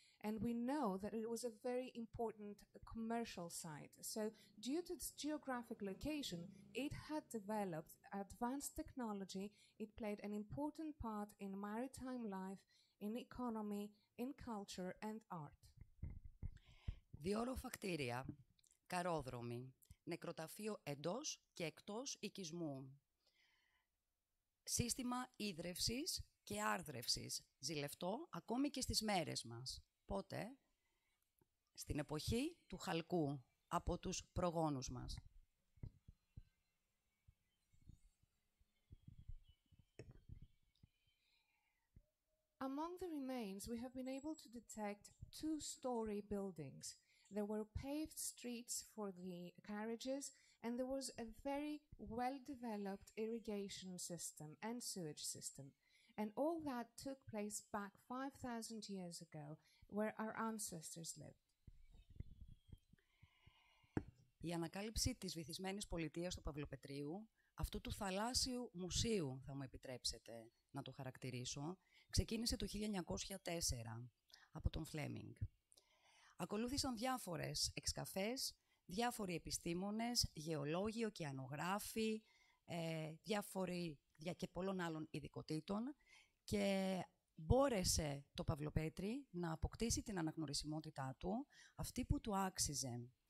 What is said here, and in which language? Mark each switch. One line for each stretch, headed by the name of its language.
English: And we know that it was a very important commercial site. So due to its geographic location, it had developed advanced technology. It played an important part in maritime life, in economy, in culture and art.
Greek: Διόροφα κτίρια, καρόδρομοι, νεκροταφείο εντός και εκτός οικισμού, σύστημα ίδρευσης και άρδρευσης, ζηλευτό ακόμη και στις μέρες μας. Πότε? Στην εποχή του Χαλκού, από τους προγόνους μας.
English: Among the remains, we have been able to detect two-story buildings. There were paved streets for the carriages, and there was a very well-developed irrigation system and sewage system. And all that took place back 5,000 years ago, where our ancestors lived.
Greek: Η ανακάλυψη της βυθισμένης πολιτείας του Παυλοπετρίου, αυτού του θαλάσσιου μουσείου, θα μου επιτρέψετε να το χαρακτηρίσω, ξεκίνησε το 1904 από τον Fleming. Ακολούθησαν διάφορες εξκαφές, διάφοροι επιστήμονες, γεωλόγοι, ωκεανογράφοι, διάφοροι και πολλών άλλων ειδικοτήτων και μπόρεσε το Παυλοπέτρι να αποκτήσει την αναγνωρισιμότητά του, αυτή που του άξιζε.